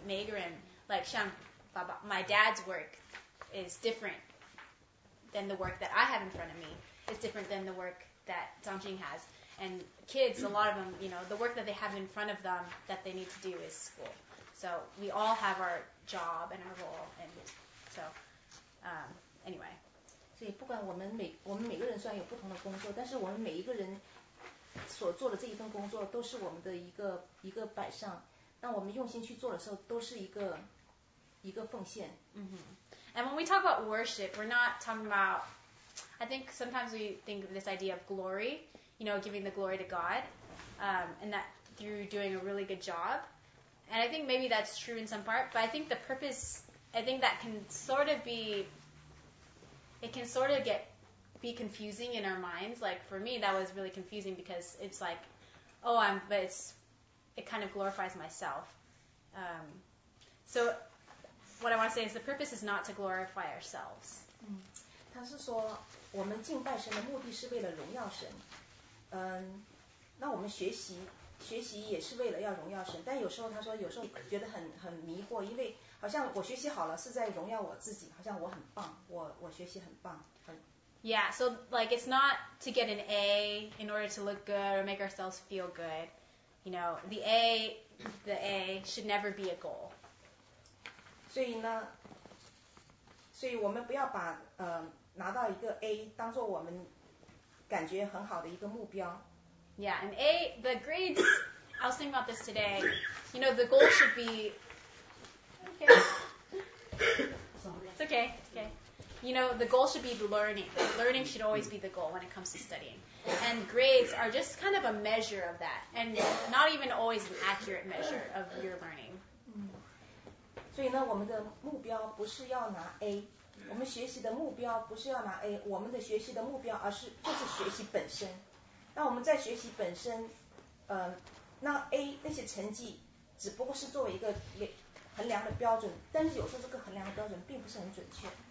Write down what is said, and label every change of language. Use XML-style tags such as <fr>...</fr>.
<zh>每个人,</zh> <en>like,</en> <zh>像爸爸,</zh> <en>my dad's work is different than the work that I have in front of me. It's different than the work that Zhang Jing has. And kids, a lot of them, you know, the work that they have in front of them that they need to do is school. So we all have our job and our role. And so, anyway.</en> <zh>所以不管我们每个人虽然有不同的工作，但是我们每一个人所做的这一份工作都是我们的一个摆上。当我们用心去做的时候，都是一个奉献。 Mm-hmm.</zh> <en>And when we talk about worship, we're not talking about, I think sometimes we think of this idea of glory, you know, giving the glory to God, and that through doing a really good job. And I think maybe that's true in some part, but I think the purpose, I think that can sort of be, it can sort of get, be confusing in our minds. Like for me, that was really confusing because it's like, oh, it kind of glorifies myself. So what I want to say is the purpose is not to glorify ourselves.</en> <zh>他是说我们敬拜神的目的是为了荣耀神。那我们学习也是为了要荣耀神，但有时候他说有时候觉得很迷惑，因为好像我学习好了是在荣耀我自己，好像我很棒，我学习很棒。</zh> <en>Yeah, so like it's not to get an A in order to look good or make ourselves feel good. You know, the A should never be a goal.</en> <zh>所以呢，所以我们不要把拿到一个 A 当做我们感觉很好的一个目标。</zh> <en>Yeah, and A, the grades, I was thinking about this today, you know, the goal should be, okay, it's okay, okay. You know, the goal should be learning. Learning should always be the goal when it comes to studying. And grades are just kind of a measure of that, and not even always an accurate measure of your learning.</en> <zh>所以呢，我们的目标不是要拿 A， 我们学习的目标不是要拿 A， 我们的学习的目标而是就是学习本身。那我们在学习本身，那 A 那些成绩只不过是作为一个衡量的标准，但是有时候这个衡量的标准并不是很准确。</zh>